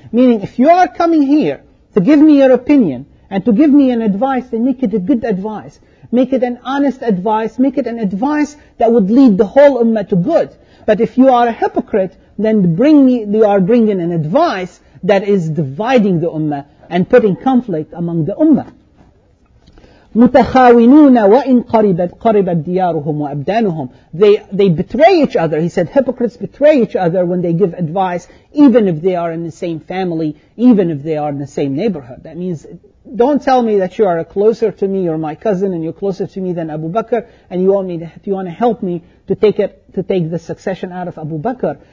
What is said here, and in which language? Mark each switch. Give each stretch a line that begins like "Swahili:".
English: Meaning, if you are coming here to give me your opinion and to give me an advice, then make it a good advice. Make it an honest advice. Make it an advice that would lead the whole ummah to good. But if you are a hypocrite, then bring me, you are bringing an advice that is dividing the ummah and putting conflict among the ummah.
Arabic: متخاونون وإن قربت ديارهم وأبدانهم.
English: They betray each other. He said hypocrites betray each other when they give advice, even if they are in the same family, even if they are in the same neighborhood. That means, don't tell me that you are closer to me, you're my cousin, and you're closer to me than Abu Bakr, and you want me to, you want to help me to take the succession out of Abu Bakr.